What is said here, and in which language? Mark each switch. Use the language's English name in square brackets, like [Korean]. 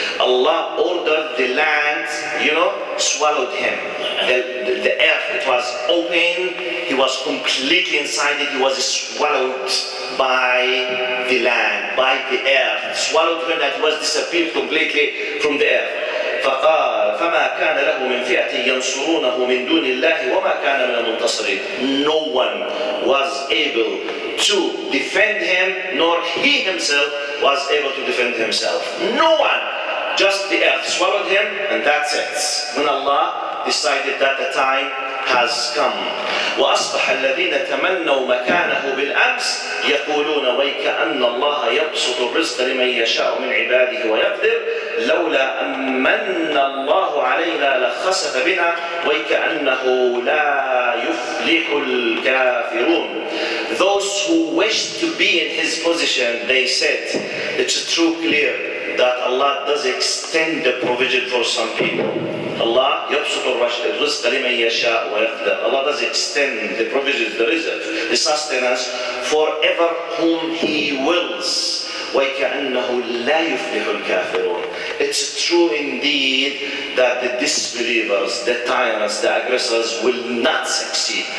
[English] Allah ordered the land, you know, swallowed him. The earth, it was open, he was completely inside it, he was swallowed by the land, by the earth. Swallowed him, that was disappeared completely from the earth. [Arabic] فقال فما كان له من فئة ينصرونه من دون الله وما كان من المنتصرين. [English] No one was able to defend him, nor he himself was able to defend himself. No one. Just the earth swallowed him, and that's it. When Allah decided that the time has come. [Arabic] وأصبح الذين تمنوا مكانه بالأمس يقولون ويكأن الله يبسط الرزق لمن يشاء من عباده ويقدر لولا أن من الله علينا لخسف بنا ويكأنه لا يفلح الكافرون. [English] Those who wished to be in his position, they said, it's true clear that Allah does extend the provision for some people. [Arabic] Allah يَبْسُطُ الرِّزْقَ لِمَنْ يَشَاءُ وَيَقْدِرُ. [English] Allah does extend the provisions, the reserve, the sustenance for ever whom He wills. [Arabic] وَيْكَأَنَّهُ لَا يُفْلِحُ الْكَافِرُونَ. [English] It's true indeed that the disbelievers, the tyrants, the aggressors will not succeed.